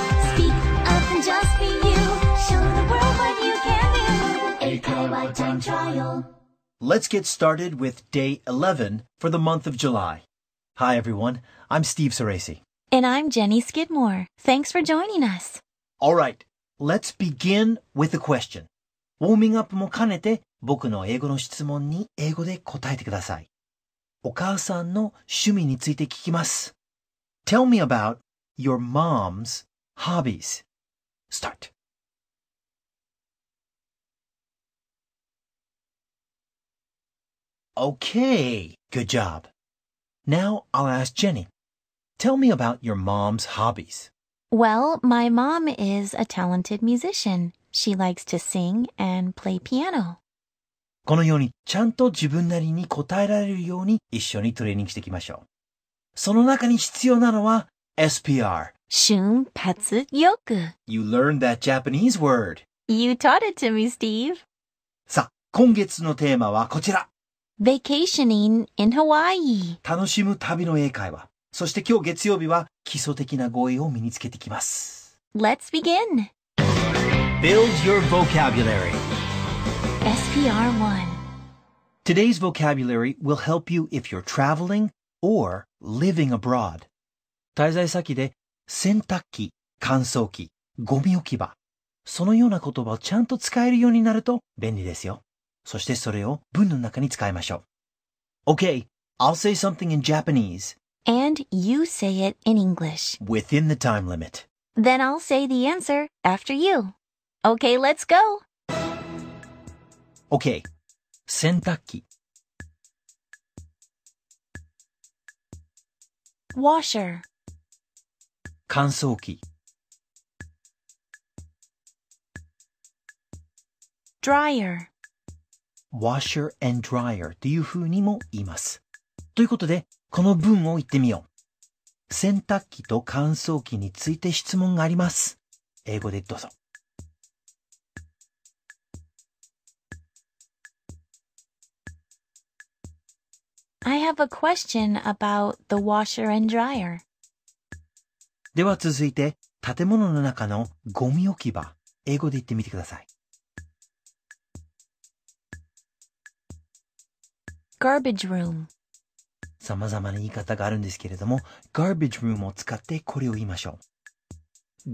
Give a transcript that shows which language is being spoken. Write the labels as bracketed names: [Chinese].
[English] Speak up and just be you. Show the world what you can do. A-Kawa Time Trial. Let's get started with day 11 for the month of July. Hi, everyone. I'm Steve Ceresi. And I'm Jenny Skidmore. Thanks for joining us. All right. Let's begin with a question. [Japanese] ウォーミングアップも兼ねて僕の英語の質問に英語で答えてください。お母さんの趣味について聞きます。 [English] Tell me about your mom's hobbies. Start. Okay. Good job. Now I'll ask Jenny. Tell me about your mom's hobbies. Well, my mom is a talented musician. She likes to sing and play piano. [Japanese] このようにちゃんと自分なりに答えられるように一緒にトレーニングしていきましょう。その中に必要なのは SPR。瞬発力。 [English] You learned that Japanese word. You taught it to me, Steve. [Japanese] さあ、今月のテーマはこちら。 [English] Vacationing in Hawaii. [Japanese] 楽しむ旅の英会話。そして今日月曜日は基礎的な語彙を身につけてきます。 [English] Let's begin! Build your vocabulary. SPR 1. Today's vocabulary will help you if you're traveling or living abroad. [Japanese] 滞在先で洗濯機、乾燥機、ゴミ置き場、そのような言葉をちゃんと使えるようになると便利ですよ。そしてそれを文の中に使いましょう。 [English] Okay, I'll say something in Japanese. And you say it in English. Within the time limit. Then I'll say the answer after you. Okay, let's go. [Japanese] Okay. 洗濯機 [English] Washer. [Japanese] 乾燥機 [English] Dryer. Washer and dryer [Japanese] というふうにも言います。ということで、この文を言ってみよう。洗濯機と乾燥機について質問があります。英語でどうぞ。 [English] I have a question about the washer and dryer. [Japanese] では続いて、建物の中のゴミ置き場、英語で言ってみてください。 [English] Garbage room. [Japanese] さまざまな言い方があるんですけれども、garbage room を使ってこれを言いましょう。